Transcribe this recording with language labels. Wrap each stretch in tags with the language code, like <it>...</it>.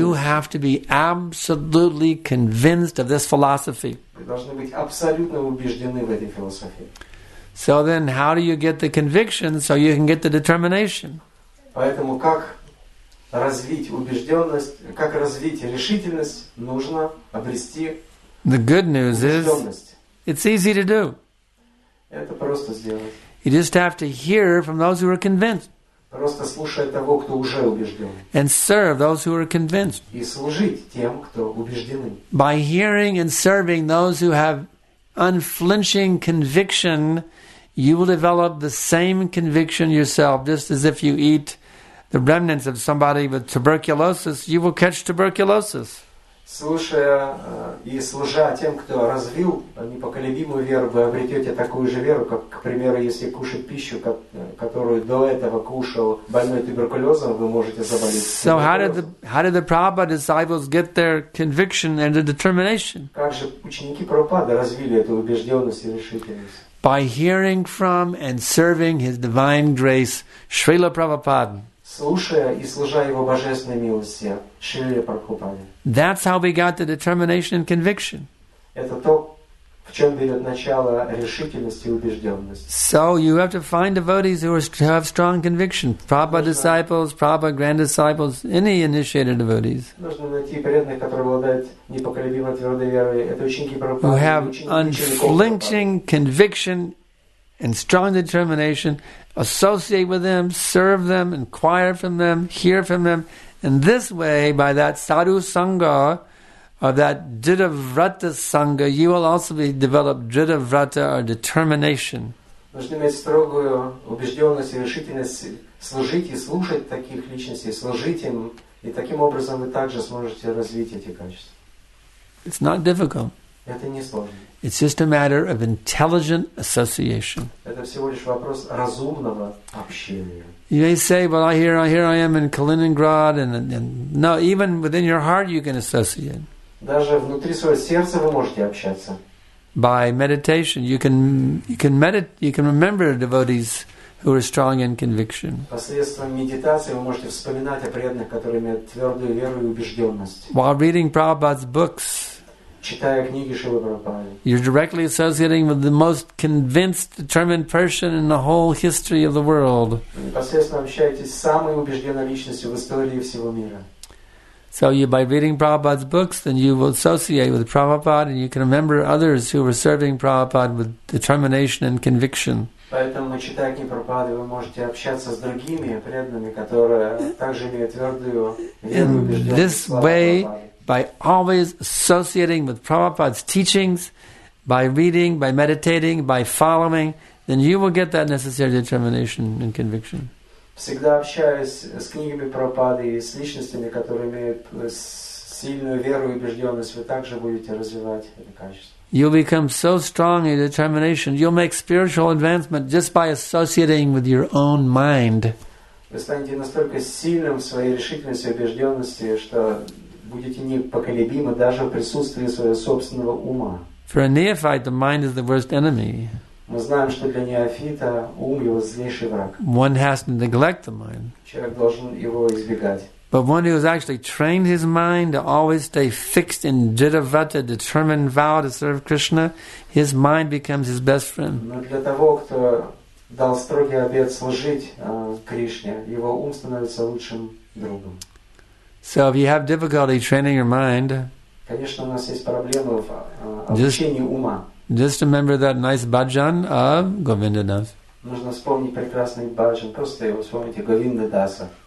<en>You have to be absolutely convinced of this philosophy.</en> <ru>Вы должны быть абсолютно убеждены в этой философии.</ru> <en>So then, how do you get the conviction so you can get the determination?</en> <ru>Поэтому как развить убежденность, как развить решительность, нужно обрести убежденность.</ru> <en>The good news is, it's easy to do.</en> <ru>Это просто сделать.</ru> <en>You just have to hear from those who are convinced.</en> <ru>Просто слушать того, кто уже убежден.</ru> <en>And serve those who are convinced.</en> <ru>И служить тем, кто убеждены.</ru> <en>By hearing and serving those who have unflinching conviction, you will develop the same conviction yourself, just as if you eat the remnants of somebody with tuberculosis, you will catch tuberculosis.</en> <ru>Слушая и служа тем, кто развил непоколебимую веру, вы обретете такую же веру, как, к примеру, если кушать пищу, которую до этого кушал больной туберкулезом, вы можете заболеть.</ru> <en>So how did the Prabhupada disciples get their conviction and their determination?</en> <ru>Как же ученики Прабхупады развили эту убежденность и решительность?</ru> <en>By hearing from and serving His Divine Grace, Srila Prabhupada.</en> <ru>Слушая и служа Его божественной милости, Шриле Прабхупаде.</ru> <en>That's how we got the determination and conviction.</en> <ru>Это то, в чем берет начало решительность и убежденность.</ru> <en>So you have to find devotees who have strong conviction. Prabhupada disciples, Prabhupada grand disciples, any initiated devotees.</en> <ru>Нужно найти преданных, которые обладают непоколебимо твердой верой. Это ученики Прабхупады.</ru> <en>Who have unflinching conviction and strong determination, associate with them, serve them, inquire from them, hear from them. In this way, by that sadhu sangha, of that dhritavrata sangha, you will also be developed dhritavrata, or determination.</en> <ru>Нужно иметь строгую убежденность и решительность служить и слушать таких личностей, служить им, и таким образом вы также сможете развить эти качества.</ru> <en>It's not difficult.</en> <ru>Это не сложно.</ru> <en>It's just a matter of intelligent association.</en> <ru>Это всего лишь вопрос разумного общения.</ru> <en>You may say, well, here I am in Kaliningrad, and no, even within your heart you can associate.</en> <ru>Даже внутри своего сердца вы можете общаться.</ru> <en>By meditation, you can remember devotees who are strong in conviction.</en> <ru>Посредством медитации вы можете вспоминать о преданных, которые имеют твердую веру и убежденность.</ru> <en>While reading Prabhupada's books,</en> <ru>читая книги Шрилы Прабхупады,</ru> <en>you're directly associating with the most convinced, determined person in the whole history of the world.</en> <ru>Непосредственно общаетесь с самой убежденной личностью в истории всего мира.</ru> <en>So you, by reading Prabhupada's books, then you will associate with Prabhupada, and you can remember others who were serving Prabhupada with determination and conviction.</en> <ru>Поэтому, читая книги Прабхупады, вы можете общаться с другими преданными, которые также имеют твердую веру и убежденность.</ru> <en>By always associating with Prabhupada's teachings, by reading, by meditating, by following, then you will get that necessary determination and conviction.</en> <ru>Всегда общаясь с книгами Прабхупады и с личностями, которые имеют сильную веру и убежденность, вы также будете развивать это качество.</ru> <en>You'll become so strong in determination, you'll make spiritual advancement just by associating with your own mind.</en> <ru>Вы станете настолько сильным в своей решительности и убежденности, что будете непоколебимы даже в присутствии своего собственного ума.</ru> <en>For a neophyte, the mind is the worst enemy.</en> <ru>Мы знаем, что для неофита ум его злейший враг.</ru> <en>One has to neglect the mind.</en> <ru>Человек должен его избегать.</ru> <en>But one who has actually trained his mind to always stay fixed in dhritavrata, determined vow to serve Krishna, his mind becomes his best friend.</en> <ru>Но для того, кто дал строгий обет служить Кришне, его ум становится лучшим другом.</ru> <en>So if you have difficulty training your mind,</en> <ru>конечно, у нас есть проблемы в обучении ума.</ru> <en>Just remember that nice bhajan of Govindadas.</en> <ru>Нужно вспомнить прекрасный баджан, просто вспомните Говиндадаса.</ru>